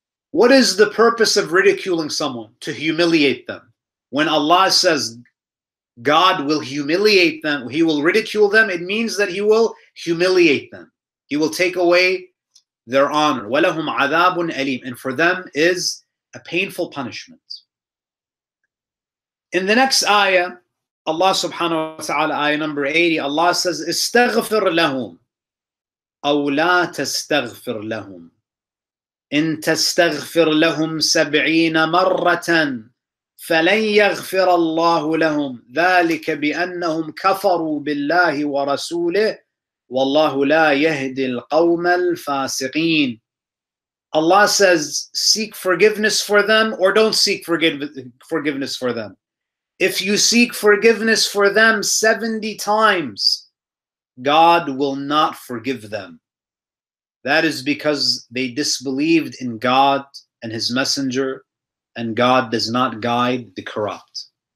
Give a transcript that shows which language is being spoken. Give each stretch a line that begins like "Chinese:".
English: What is the purpose of ridiculing someone? To humiliate them. When Allah says God will humiliate them, He will ridicule them, it means that He will humiliate them. He will take away their honor.
Arabic: وَلَهُمْ عَذَابٌ أَلِيمٌ,
English: and for them is a painful punishment. In the next ayah, Allah subhanahu wa ta'ala, ayah number 80, Allah says,
Arabic: استغفر لهم أو لا تستغفر لهم إن تستغفر لهم 70 مرة فلن يغفر الله لهم ذلك بأنهم كفروا بالله ورسوله والله لا يهدي القوم الفاسقين.
English: Allah says, seek forgiveness for them or don't seek forgiveness for them. If you seek forgiveness for them 70 times, God will not forgive them. That is because they disbelieved in God and His Messenger, and God does not guide the corrupt.